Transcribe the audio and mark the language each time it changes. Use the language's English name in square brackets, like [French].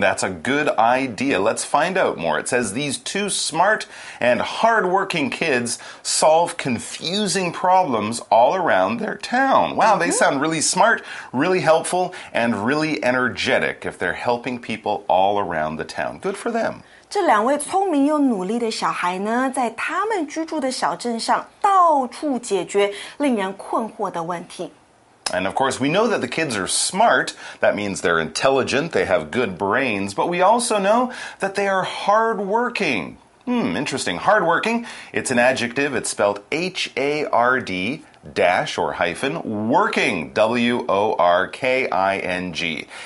[English] That's a good idea. Let's find out more. It says these two smart and hardworking kids solve confusing problems all around their town. Wow, they sound really smart, really helpful, and really energetic if they're helping people all around the town. Good for them. [Chinese] 这两位聪明又努力的小孩呢，在他们居住的小镇上到处解决令人困惑的问题。 [English] And of course, we know that the kids are smart. That means they're intelligent, they have good brains. But we also know that they are hardworking. Interesting. Hardworking, it's an adjective. It's spelled H-A-R-D dash or hyphen working, W-O-R-K-I-N-G.